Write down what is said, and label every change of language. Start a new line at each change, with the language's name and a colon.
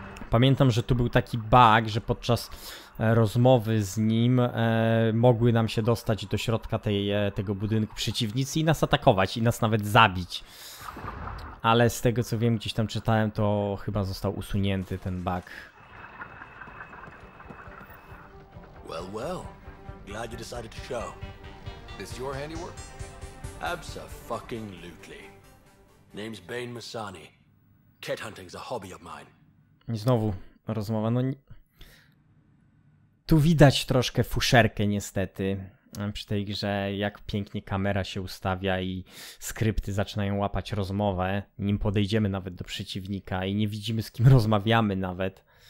Polish: Pamiętam, że tu był taki bug, że podczas rozmowy z nim mogły nam się dostać do środka tego budynku przeciwnicy i nas atakować i nas nawet zabić. Ale z tego co wiem, gdzieś tam czytałem, to chyba został usunięty ten bug.
English: Well, well. Glad you decided to show. This your handiwork? Abso-fucking-lutely. Name's Bane Masani. Ket hunting's a hobby of mine.
Polish: I znowu rozmowa. No, tu widać troszkę fuszerkę niestety. Przy tej grze, jak pięknie kamera się ustawia i skrypty zaczynają łapać rozmowę, nim podejdziemy nawet do przeciwnika i nie widzimy, z kim rozmawiamy nawet.